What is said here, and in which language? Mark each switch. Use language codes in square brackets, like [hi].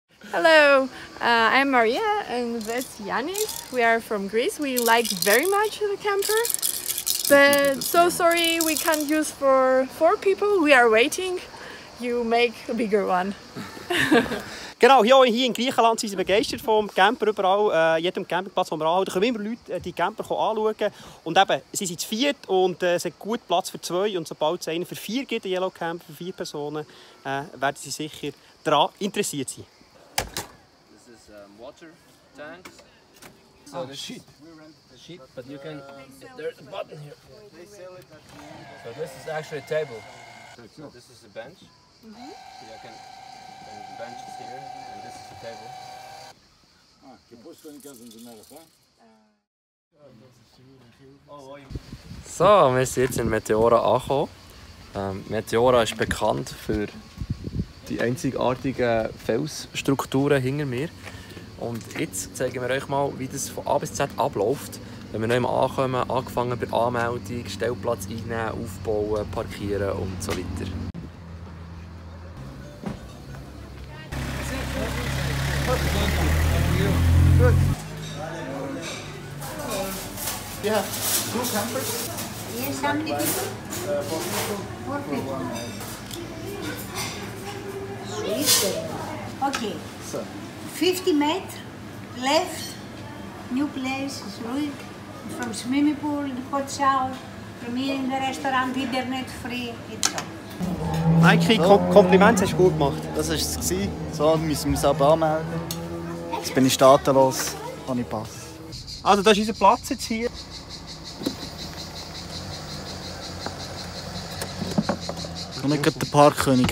[en] Hello, I'm Maria and that's Yannis. We are from Greece. We like very much the camper. But so sorry, we can't use for 4 people. We are waiting. You make a bigger one. [de] Genau, hier in Griechenland sind sie begeistert vom Camper überall, jedem Campingplatz, den wir anhalten. Da können immer Leute die Camper anschauen. Und eben, sie sind zu viert und es hat gut Platz für 2. Und sobald es einen für 4 gibt, den Yellow Camper, für 4 Personen, werden sie sicher daran interessiert sein. [en] This is water tank. So, the sheet. But you can. There's a button here. So, this is actually a table. So, this is a bench. Mm-hmm. So, I can. The bench is here, and this is a table. Ah, you push when it comes in the middle, huh? [de] So, wir sind jetzt in Meteora angekommen. Meteora ist bekannt für die einzigartigen Felsstrukturen hinter mir. Und jetzt zeigen wir euch mal, wie das von A bis Z abläuft. Wenn wir neu ankommen, angefangen bei Anmeldung, Stellplatz einnehmen, aufbauen, parkieren und so weiter. [en] Yeah, two campers. Yes, how many people? Four people. Okay. So. 50 meters left. New place is ruined. From swimming pool, the hot shower, from here in the restaurant, internet free, it's all. [de] Mikey, Kompliment hast du gut gemacht. Das war es. So, wir müssen uns aber anmelden. Jetzt bin ich staatenlos, ohne Pass. Also, das ist unser Platz jetzt hier. Ich bin nicht der Parkkönig.